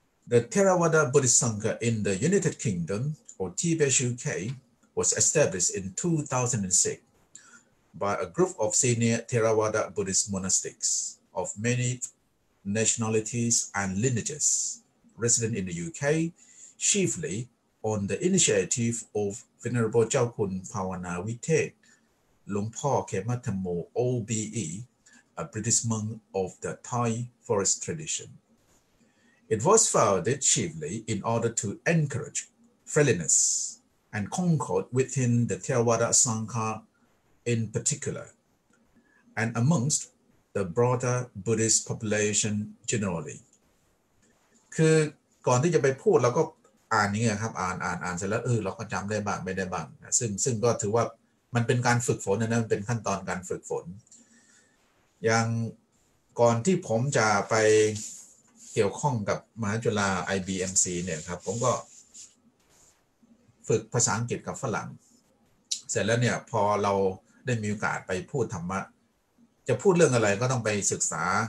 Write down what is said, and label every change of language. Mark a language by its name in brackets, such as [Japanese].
[English] the Theravada Buddhist Sangha in the United Kingdom or TBHUK was established in 2006by a group of senior Theravada Buddhist monastics of many nationalities and lineages resident in the UK, chiefly on the initiative of Venerable Jao Kun Phawanawithet, Long Pho Kemathamo OBE, a British monk of the Thai forest tradition. It was founded chiefly in order to encourage friendliness and concord within the Theravada Sangha in particular, and amongst the broader Buddhist population generally. [Thai] คือก่อนที่จะไปพูดเราก็อ่านอย่างเงี้ยครับอ่านเสร็จแล้วเราก็จำได้บ้างไม่ได้บ้างซึ่งก็ถือว่ามันเป็นการฝึกฝนนะมันเป็นขั้นตอนการฝึกฝนอย่างก่อนที่ผมจะไปเกี่ยวข้องกับมหาจุฬา IBMC เนี่ยครับผมก็ฝึกภาษาอังกฤษกับฝรั่งเสร็จแล้วเนี่ยพอเราได้มีโอกาสไปพูดธรรมะจะพูดเรื่องอะไรก็ต้องไปศึกษา